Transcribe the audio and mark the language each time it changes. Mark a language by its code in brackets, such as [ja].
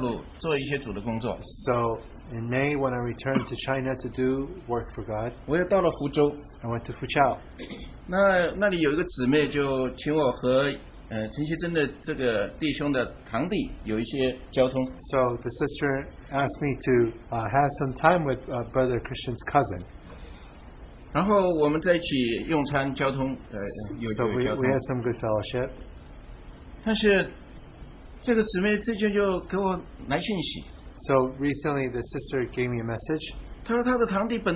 [zh] 在我五月份回到大陆做一些主的工作。 [en] So in May, when I returned to China to do work for God, [zh] 我又到了福州。 [en] I went to Fuzhou. [zh] 那里有一个姊妹就请我和陈锡珍的这个弟兄的堂弟有一些交通。 [en] So the sister asked me to have some time with Brother Christian's cousin. [zh] 然后我们在一起用餐交通, [en] so we had some good fellowship. [zh] 但是这个姊妹最近就给我来信息。 [en] So recently the sister gave me a message.